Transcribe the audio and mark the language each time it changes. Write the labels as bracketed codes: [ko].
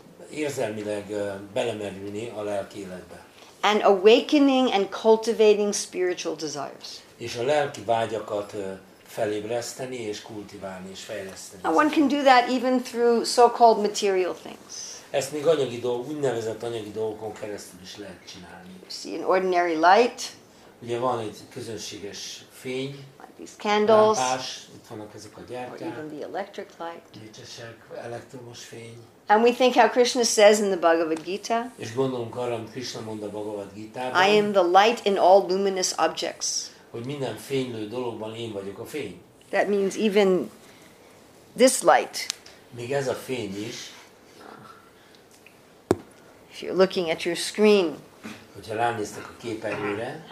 [hu] Érzelmileg belemerülni a lelki életbe. [en] And awakening and cultivating spiritual desires. [hu] És a lelki vágyakat felébreszteni és kultiválni és fejleszteni. [en] And one can do that even through so-called material things. [hu] Ezt még anyagi dolgok, úgynevezett anyagi dolgokon keresztül is lehet csinálni. [en] See an ordinary light. [hu] Ugye van egy közönséges fény. [en] These candles. [hu] Lámpás, itt vannak ezek a gyertyák. [en] Or even the electric light. [hu] Gyertyák, elektromos fény. [en] And we think how Krishna says in the Bhagavad Gita. [hu] És gondolunk arra, amit Krishna mond a Bhagavad Gitában. [en] I am the light in all luminous objects. [hu] Hogy minden fénylő dologban én vagyok a fény. [en] That means even this light. [hu] Még ez a fény is. [en] you're looking at your screen, [hu] hogyha ránéztek a képernyőre,